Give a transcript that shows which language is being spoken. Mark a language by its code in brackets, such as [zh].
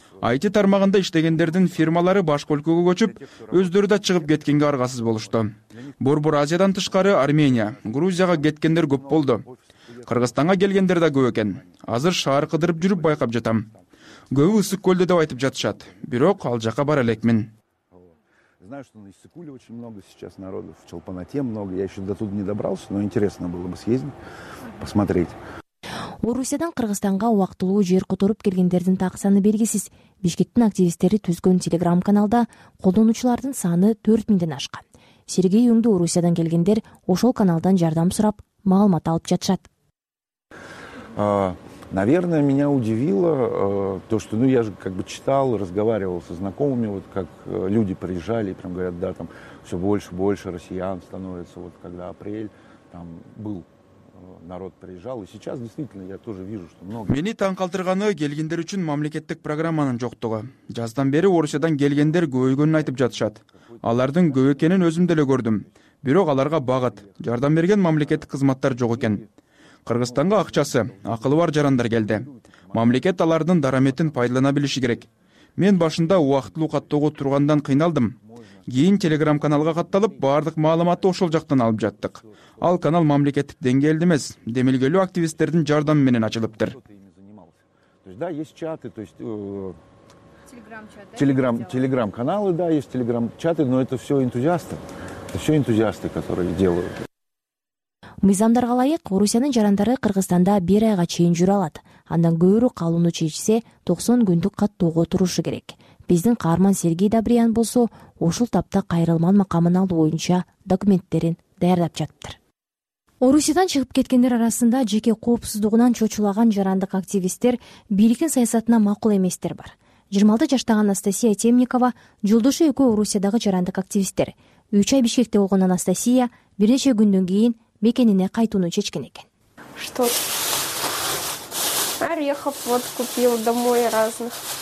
[ky] IT тармагында иштегендердин фирмалары башка өлкөгө көчүп, өздөрү да чыгып кеткенге аргасыз болушту. Борбор Азиядан тышкары Армения, Грузияга кеткендер көп болду. Кыргызстанга келгендер да көп экен. Азыр шаар кыдырып жүрүп байкап жатам. Көбү Ысык Көлдө деп айтып жатышат, бирок ал жака бара элекмин. [ru] Знаю, что на Иссык-Куле очень много сейчас народу, в Чолпанате много. Я еще до туда не добрался, но интересно было бы съездить, посмотреть. [ky] Орусиядан Кыргызстанга убактылуу жер которуп келгендердин так саны белгисиз. Бишкектин активисттери түзгөн телеграм-каналда колдонуучулардын саны 4000 ашкан. Сергей Юнгду Орусиядан келгендер ошол каналдан жардам сурап, маалымат алып жатышат. [ru] Наверное, меня удивило то, что, ну, я же как бы читал, разговаривал со знакомыми, вот как люди приезжали и прям говорят, да, там все больше и больше россиян становится, вот когда апрель там был. Народ приезжал, и сейчас действительно я тоже вижу, что много. [ky] Мени таң калтырганы келгендер үчүн мамлекеттик программанын жоктугу. Жаздан бери Орусиядан келгендер көбөйгөнүн айтып жатышат. Алардын көп экенин өзүм деле көрдүм. Бирок аларга багыт, жардам берген мамлекеттик кызматтар жок экен. Кыргызстанга акчасы, акылы бар жарандар келди. Мамлекет алардын дараметин пайдалана билиши керек. Мен башында убактылуу каттоого тургандан кыйналдым. Кийин телеграм-каналга катталып, бардык маалыматты ошол жактан алып жаттык. Ал канал мамлекеттик деңгээлде эмес, демилгелүү активисттердин жардамы менен ачылыптыр. [ru] То есть, да, есть чаты, то есть телеграм-чаты. Телеграм-каналы, да, есть телеграм-чаты, но это всё энтузиасты. Это всё энтузиасты, которые делают. [ky] Мыйзамдарга ылайык, Орусиянын жарандары Кыргызстанда бир айга чейин жүрө алат. Андан көрү калууну чечсе, 90 күндүк каттоого турушу керек. Биздин каарман Сергей Добриян болсо, ушул тапта кайрылман макамын алуу боюнча документтерин даярдап жатыптыр. Орусиядан чыгып кеткендер арасында жеке коопсуздугунан чочулаган жарандык активисттер, бийликтин саясатына макул эместер бар. 26 жаштагы Анастасия Темникова, жолдошу экөө Орусиядагы жарандык активисттер. 3 ай Бишкекте болгон Анастасия бир нече күндөн кийин мекенине кайтууну чечкен экен. [ru] Что? Орехов вот купил домой разных.